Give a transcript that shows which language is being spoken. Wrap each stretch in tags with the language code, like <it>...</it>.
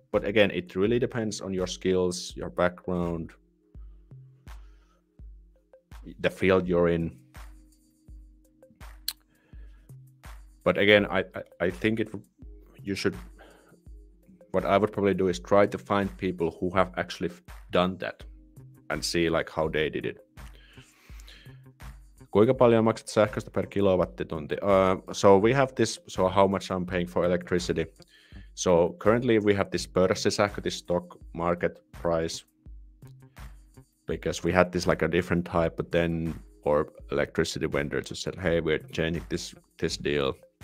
<en>But again, it really depends on your skills, your background, the field you're in. But again, I think what I would probably do is try to find people who have actually done that and see like how they did it.</en> <fi>Kuinka paljon maksat sähköstä per kilowattitunti?</fi> <en>So we have this, so how much I'm paying for electricity. So currently we have this pörssisähkö, this stock market price, because we had this like a different type, but then our electricity vendor just said, hey, we're changing this deal.</en>